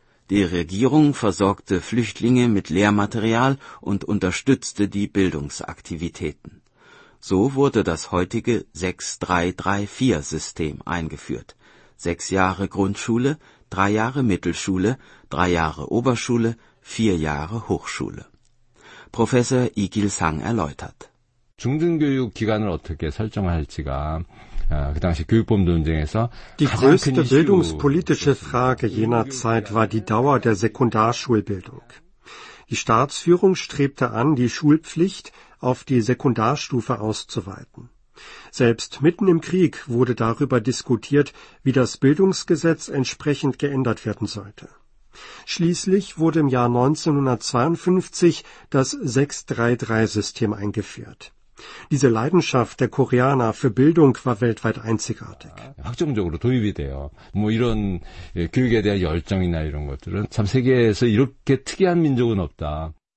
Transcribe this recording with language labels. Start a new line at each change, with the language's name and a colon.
German: Die Regierung versorgte Flüchtlinge mit Lehrmaterial und unterstützte die Bildungsaktivitäten. So wurde das heutige 6-3-3-4-System eingeführt. 6 Jahre Grundschule, 3 Jahre Mittelschule, 3 Jahre Oberschule, 4 Jahre Hochschule. Professor Lee Gil-sang erläutert.
Korean: 중등교육 기간을 어떻게 설정할지가 그 당시 교육법 논쟁에서
German: Die größte bildungspolitische Frage jener Zeit war die Dauer der Sekundarschulbildung. Die Staatsführung strebte an, die Schulpflicht auf die Sekundarstufe auszuweiten. Selbst mitten im Krieg wurde darüber diskutiert, wie das Bildungsgesetz entsprechend geändert werden sollte. Schließlich wurde im Jahr 1952 das 6-3-3-System eingeführt. Diese Leidenschaft der Koreaner für Bildung war weltweit einzigartig.
Korean: 확정적으로 도입이 돼요. 뭐 이런 교육에 대한 열정이나 이런 것들은 참 세계에서 이렇게 특이한 민족은 없다.